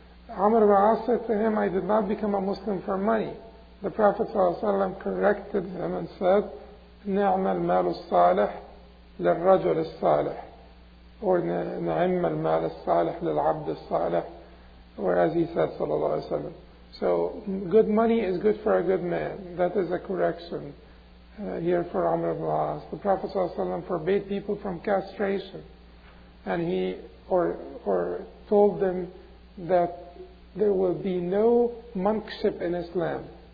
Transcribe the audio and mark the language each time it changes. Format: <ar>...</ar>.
<en>Amr ibn al-As said to him, I did not become a Muslim for money. The Prophet ﷺ corrected him and said,</en> <ar>نعم المال الصالح للرجل الصالح, or نعم المال الصالح للعبد الصالح,</ar> <en>or as he said</en> <ar>صلى الله عليه وسلم.</ar> <en>So good money is good for a good man. That is a correction here for Amr ibn al-As. The Prophet ﷺ forbade people from castration, and he or told them that there will be no monkship in Islam.</en>